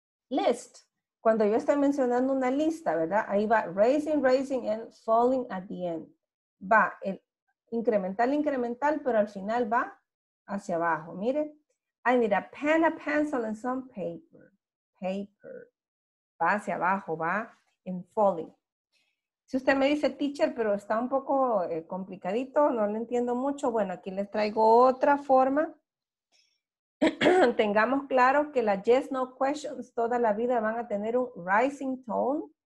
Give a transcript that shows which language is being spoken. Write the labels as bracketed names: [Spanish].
[Spanish] List, cuando yo estoy mencionando una lista, ¿verdad? Ahí va [English] raising, raising and falling at the end. [Spanish] Va el incremental, incremental, pero al final va hacia abajo. [English] Mire, I need a pen, a pencil and some paper. [Spanish] Paper, va hacia abajo, va en falling. Si usted me dice, teacher, pero está un poco complicadito, no lo entiendo mucho. Bueno, aquí les traigo otra forma. Tengamos claro que las [English] yes, no questions [Spanish] toda la vida van a tener un [English] rising tone.